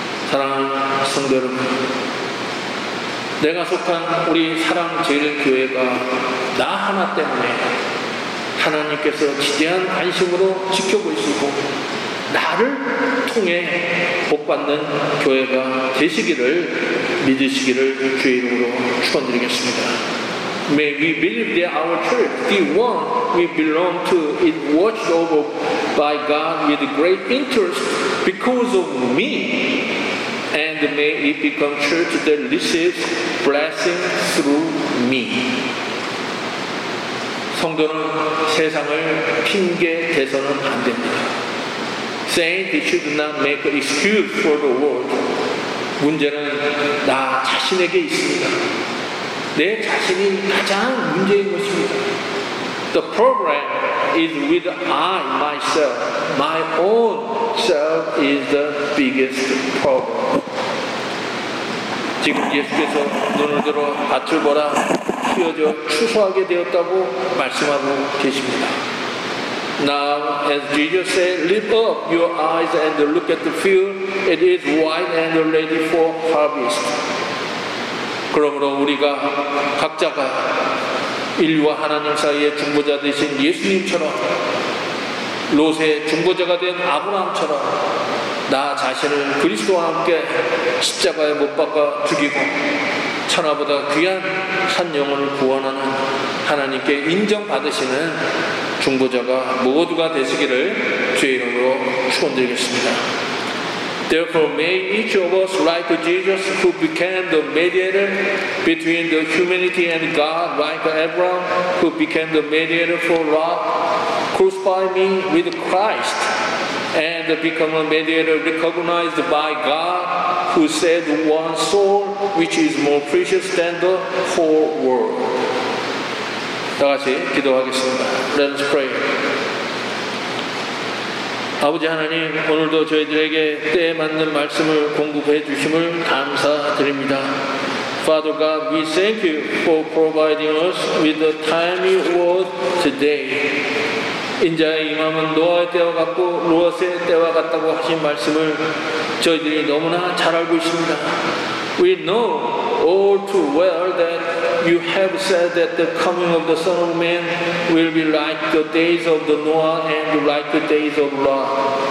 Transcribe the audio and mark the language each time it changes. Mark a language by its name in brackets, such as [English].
[Korean] 사랑하는 성도 여러분, 내가 속한 우리 사랑 제일교회가 나 하나 때문에 하나님께서 지대한 관심으로 지켜보시고 나를 통해 복받는 교회가 되시기를 믿으시기를 주의 이름으로 축원드리겠습니다. [English] May we believe that our church, the one we belong to, is watched over by God with great interest because of me. And may it become church that receives blessing through me. [Korean] 성도는 세상을 핑계 대서는 안 됩니다. [English] Saint should not make excuse for the world. [Korean] 문제는 나 자신에게 있습니다. 내 자신이 가장 문제인 것입니다. [English] The problem is with I, myself. My own self is the biggest problem. [Korean] 지금 예수께서 눈을 들어 밭을 보라 휘어져 추수하게 되었다고 말씀하고 계십니다. [English] Now, as Jesus said, lift up your eyes and look at the field. It is white and ready for harvest. [Korean] 그러므로 우리가 각자가 인류와 하나님 사이의 중보자 되신 예수님처럼 롯의 중보자가 된 아브라함처럼 나 자신을 그리스도와 함께 십자가에 못 박아 죽이고 천하보다 귀한 한 영혼을 구원하는 하나님께 인정받으시는 중보자가 모두가 되시기를 주의 이름으로 축원드리겠습니다. [English] Therefore, may each of us, like Jesus, who became the mediator between the humanity and God, like Abraham, who became the mediator for Lot, crucify me with Christ, and become a mediator recognized by God, who said one soul, which is more precious than the whole world. [Korean] 다 같이 기도하겠습니다. [English] Let's pray. [Korean] 아버지 하나님, 오늘도 저희들에게 때에 맞는 말씀을 공급해 주심을 감사드립니다. [English] Father God, we thank you for providing us with the timely word today. [Korean] 인자의 임함은 노아의 때와 같고 롯의 때와 같다고 하신 말씀을 저희들이 너무나 잘 알고 있습니다. [English] We know all too well that you have said that the coming of the Son of Man will be like the days of the Noah and like the days of Lot.